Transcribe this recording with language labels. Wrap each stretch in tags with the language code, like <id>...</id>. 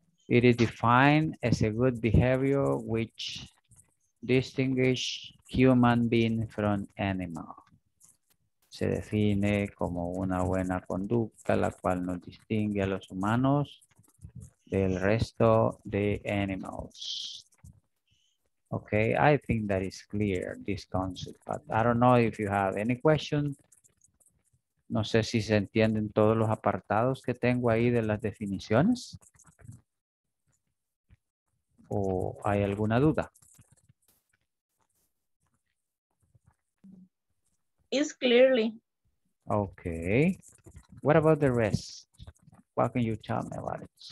<en>It is defined as a good behavior which distinguishes human being from animal.</en> <es>Se define como una buena conducta, la cual nos distingue a los humanos del resto de animals.</es> <en>Okay, I think that is clear, this concept. But I don't know if you have any questions.</en> <es>No sé si se entienden todos los apartados que tengo ahí de las definiciones. ¿O hay alguna duda?</es> <en>is clearly. Okay. What about the rest? What can you tell me about it?</en>